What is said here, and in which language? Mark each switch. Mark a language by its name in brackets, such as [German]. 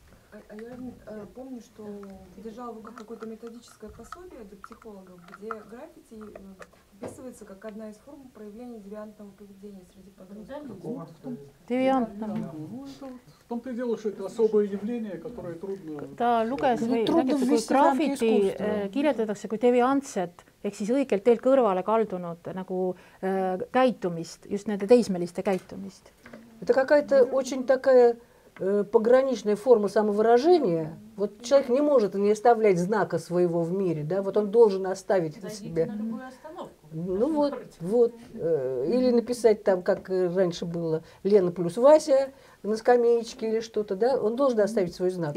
[Russian] А я помню, что держала в руках какое-то методическое пособие для психологов, где граффити описывается как одна из форм проявления девиантного поведения среди подростков. Девиантного. В том-то и дело, что это особое явление, которое трудно... Да, Лукас, вы знаете, [Estonian] граффити кирилдатакse kui девиантset, ehk siis õigelt teel kõrvale kaldunud nagu käitumist, just nende teismeliste käitumist. [Russian] Это какая-то очень такая... пограничная форма самовыражения, вот человек не может не оставлять знака своего в мире, да, вот он должен оставить на себя. На любую остановку. Ну вот, вот. Или написать там, как раньше было, Лена плюс Вася на скамеечке или что-то, да, он должен оставить свой знак.